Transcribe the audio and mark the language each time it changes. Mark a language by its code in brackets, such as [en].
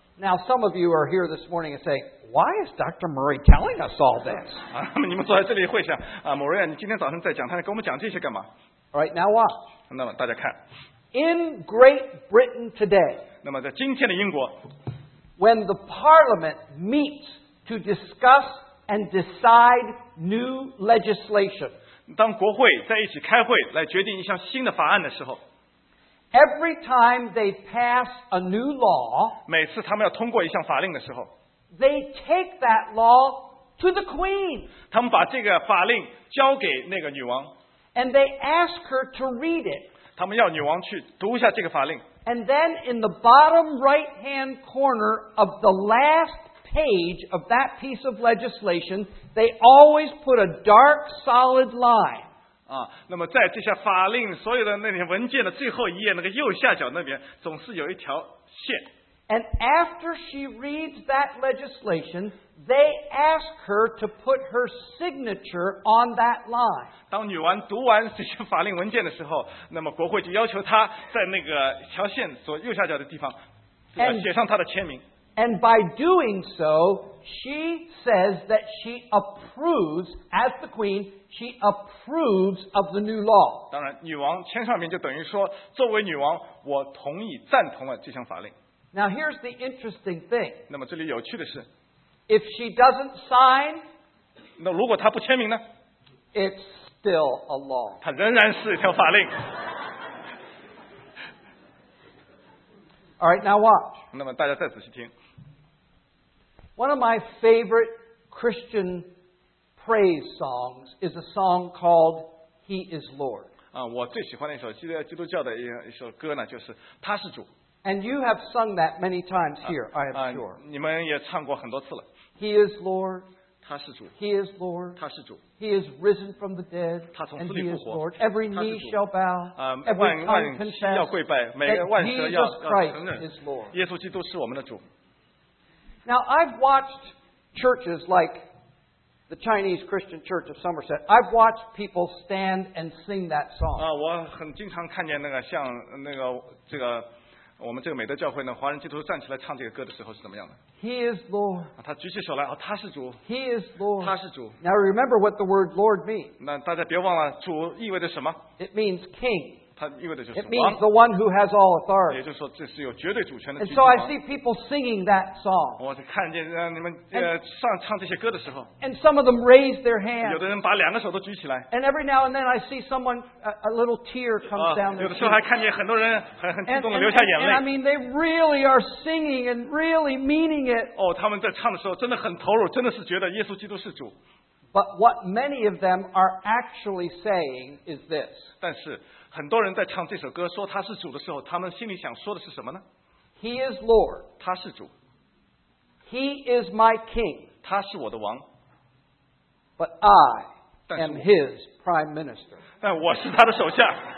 [en] Now some of you are here this morning and say, why is Dr. Murray telling us all this? [zh] 你们坐在这里会想，某人，你今天早上在讲台上跟我们讲这些干嘛？ [en] All right, now watch. [zh] 那么大家看, [en] in Great Britain today, [zh] 那么在今天的英国, [en] when the Parliament meets to discuss and decide new legislation, [zh] 当国会在一起开会来决定一项新的法案的时候, [en] every time they pass a new law, [zh] 每次他们要通过一项法令的时候, [en] they take that law to the queen. [zh] 他们把这个法令交给那个女王。 [en] And they ask her to read it. [zh] 他们要女王去读一下这个法令。 [en] And then in the bottom right-hand corner of the last page of that piece of legislation, they always put a dark, solid line. [zh] 啊，那么在这些法令所有的那些文件的最后一页那个右下角那边，总是有一条线。 [en] And after she reads that legislation, they ask her to put her signature on that line. [zh] 当女王读完这些法令文件的时候，那么国会就要求她在那个条线左右下角的地方，写上她的签名。 [en] And by doing so, she says that she approves, as the queen, she approves of the new law. [zh] 当然，女王签上名就等于说，作为女王，我同意赞同了这项法令。 [en] Now here's the interesting thing. [zh] 那么这里有趣的是 [en] ，if she doesn't sign, [zh] 那如果她不签名呢 [en] ？It's still a law. [zh] 它仍然是一条法令。 [en] All right, now watch. [zh] 那么大家再仔细听。 [en] One of my favorite Christian praise songs is a song called "He is Lord." [zh] 啊，我最喜欢的一首基督教的一首歌呢，就是他是主。 [en] And you have sung that many times here, I am sure. [zh] 你们也唱过很多次了。 [en] He is Lord. [zh] 他是主。 [en] He is Lord. [zh] 他是主。 [en] He is risen from the dead. [zh] 他从死里复活。 [en] Every knee shall bow. Every tongue confess. [zh] 要跪拜，每个万舌要承认。 [en] Jesus Christ is Lord. [zh] 耶稣基督是我们的主。 [en] Now I've watched churches like the Chinese Christian Church of Somerset. I've watched people stand and sing that song. [zh] 啊，我很经常看见那个像那个这个。我们这个美德教会呢，华人基督徒站起来唱这个歌的时候是怎么样的 [en] ？He is Lord。 [zh] 他举起手来，哦，他是主。 [en] He is Lord。 [zh] 他是主。 [en] Now remember what the word Lord means。 [zh] 那大家别忘了，主意味着什么 [en] ？It means King。 [zh] 它意味着就是王。 [en] It means the one who has all authority。 [zh] 也就是说，这是有绝对主权的。 [en] And so I see people singing that song。 [zh] 我看见你们唱这些歌的时候。 [en] And some of them raise their hands。 [zh] 有的人把两个手都举起来。 [en] And every now and then I see someone a little tear comes down their cheek。 [zh] 有的时候还看见很多人很激动的流下眼泪。 [en] And I mean they really are singing and really meaning it。 [zh] 哦，他们在唱的时候真的很投入，真的是觉得耶稣基督是主。 [en] But what many of them are actually saying is this。 [zh] 但是很多人在唱这首歌说他是主的时候，他们心里想说的是什么呢 [en] ？He is Lord. [zh] 他是主。 [en] He is my king. [zh] 他是我的王。 [en] But I am his prime minister. [zh] 但我是他的首相。